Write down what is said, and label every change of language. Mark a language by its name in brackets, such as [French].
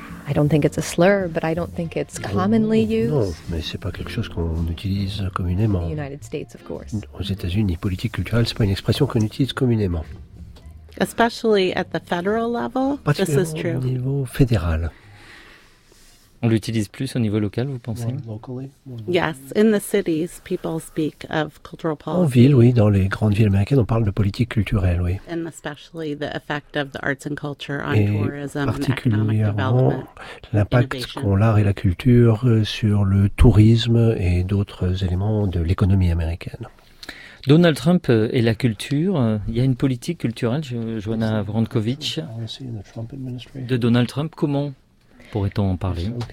[English] I don't think it's a slur, but I don't think it's commonly used. [French] Non, mais c'est pas quelque chose qu'on utilise communément. [English] In the United States, of course. [French] Aux États-Unis, politique culturelle, c'est pas une expression qu'on utilise communément. [English] Especially at the federal level, this is true. [French] Au niveau fédéral. On l'utilise plus au niveau local, vous pensez? [English] Yes, in the cities, people speak of cultural policy. [French] En ville, oui, dans les grandes villes américaines, on parle de politique culturelle, oui. [English] And especially the effect of the arts and culture on tourism and economic development. [French] L'impact qu'ont l'art et la culture sur le tourisme et d'autres éléments de l'économie américaine. Donald Trump et la culture, il y a une politique culturelle, Joanna Vorankovic, de Donald Trump, comment pourrait-on en parler?